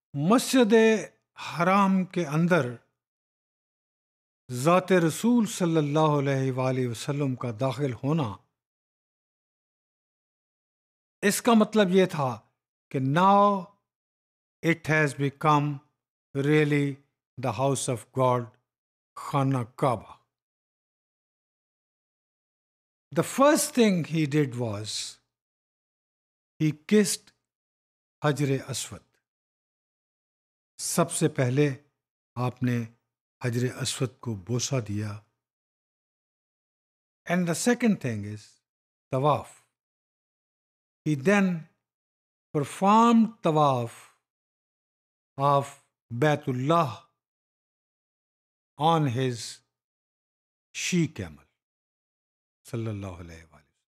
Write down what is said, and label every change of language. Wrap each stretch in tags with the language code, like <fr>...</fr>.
<ur>مسجد حرام کے اندر ذات رسول صلی اللہ علیہ وآلہ وسلم کا داخل ہونا اس کا مطلب یہ تھا کہ</ur> <en>now it has become really the house of God,</en> <ur>خانہ کعبہ.</ur> <en>The first thing he did was he kissed حجر اسود.</en> <ur>سب سے پہلے آپ نے حجر اسود کو بوسا دیا.</ur> <en>And the second thing is طواف. He then performed طواف of بیت اللہ on his she camel صلی اللہ علیہ وآلہ وسلم.</en>